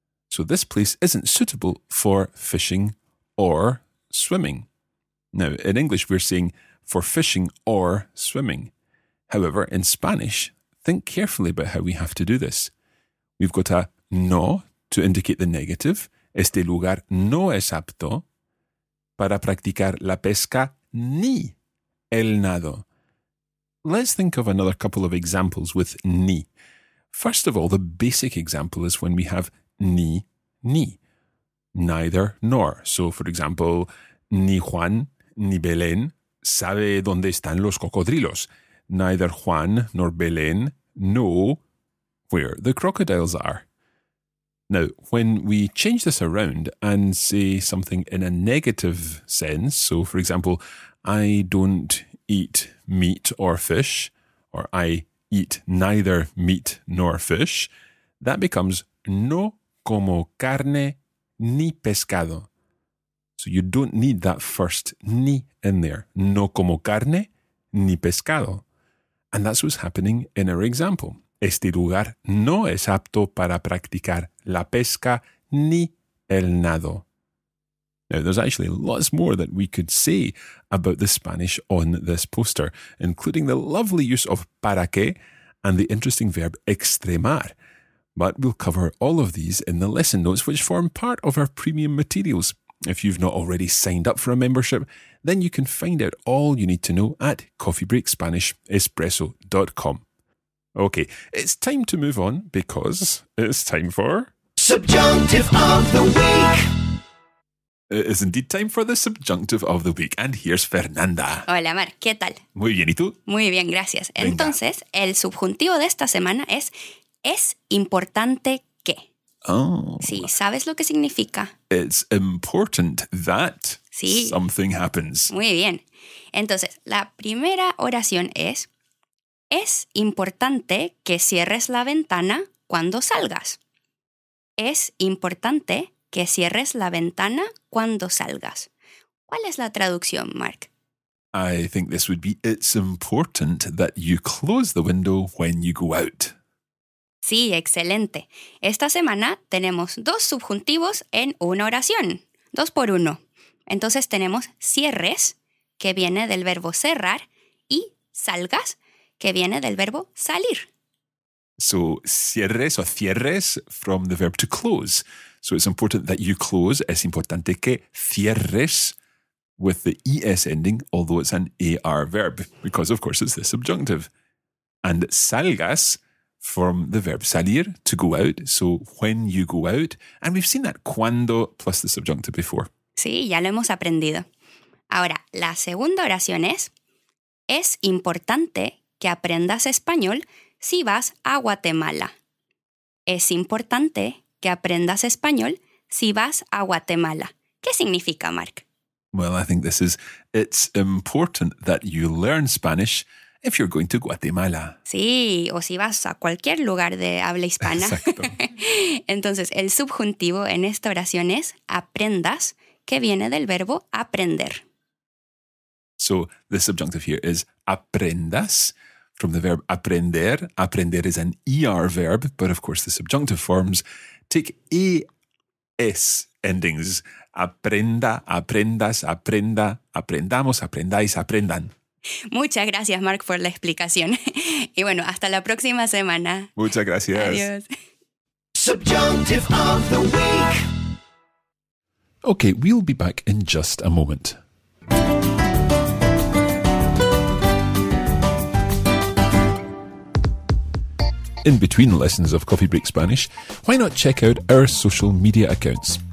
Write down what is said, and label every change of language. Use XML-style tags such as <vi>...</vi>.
<en>So this place isn't suitable for fishing or swimming. Now, in English, we're saying for fishing or swimming. However, in Spanish, think carefully about how we have to do this. We've got a no to indicate the negative.</en> <es>Este lugar no es apto para practicar la pesca ni el nado.</es> <en>Let's think of another couple of examples with ni. First of all, the basic example is when we have ni, ni. Neither nor. So, for example,</en> <es>ni Juan ni Belén sabe dónde están los cocodrilos.</es> <en>Neither Juan nor Belén know where the crocodiles are. Now, when we change this around and say something in a negative sense, so for example, I don't eat meat or fish, or I eat neither meat nor fish, that becomes</en> <es>no como carne ni pescado.</es> <en>So you don't need that first ni in there.</en> <es>No como carne ni pescado.</es> <en>And that's what's happening in our example.</en> <es>Este lugar no es apto para practicar la pesca ni el nado.</es> <en>Now, there's actually lots more that we could say about the Spanish on this poster, including the lovely use of para qué and the interesting verb extremar. But we'll cover all of these in the lesson notes, which form part of our premium materials. If you've not already signed up for a membership, then you can find out all you need to know at coffeebreakspanishespresso.com. Okay, it's time to move on because it's time for... Subjunctive of the Week! It is indeed time for the subjunctive of the week. And here's Fernanda.</en> <es>Hola, Mar. ¿Qué tal? Muy bien, ¿y tú? Muy bien, gracias. Venga. Entonces, el subjuntivo de esta semana es importante que. Oh. Sí, ¿sabes lo que significa?</es> <en>It's important that</en> <es>sí.</es> <en>Something happens.</en> <es>Muy bien. Entonces, la primera oración es importante que cierres la ventana cuando salgas. Es importante que cierres la ventana cuando salgas. ¿Cuál es la traducción, Mark?</es> <en>I think this would be, it's important that you close the window when you go out.</en> <es>Sí, excelente. Esta semana tenemos dos subjuntivos en una oración, dos por uno. Entonces tenemos cierres, que viene del verbo cerrar, y salgas, que viene del verbo salir.</es> <en>So, cierres o cierres from the verb to close. So it's important that you close.</en> <es>Es importante que cierres</es> <en>with the ES ending, although it's an AR verb, because of course it's the subjunctive. And salgas from the verb salir, to go out. So when you go out. And we've seen that cuando plus the subjunctive before.</en> <es>Sí, ya lo hemos aprendido. Ahora, la segunda oración es importante que aprendas español si vas a Guatemala. Es importante que aprendas español si vas a Guatemala. ¿Qué significa, Mark?</es> <en>Well, I think this is, it's important that you learn Spanish if you're going to Guatemala.</en> <es>Sí, o si vas a cualquier lugar de habla hispana. Exacto. Entonces, el subjuntivo en esta oración es aprendas, que viene del verbo aprender.</es> <en>So, the subjunctive here is aprendas. From the verb aprender, aprender is an ER verb, but of course the subjunctive forms take ES endings.</en> <es>Aprenda, aprendas, aprenda, aprendamos, aprendáis, aprendan. Muchas gracias, Mark, por la explicación. Y bueno, hasta la próxima semana. Muchas gracias. Adiós.</es> <en>Subjunctive of the week. Okay, we'll be back in just a moment. In between lessons of Coffee Break Spanish, why not check out our social media accounts?</en>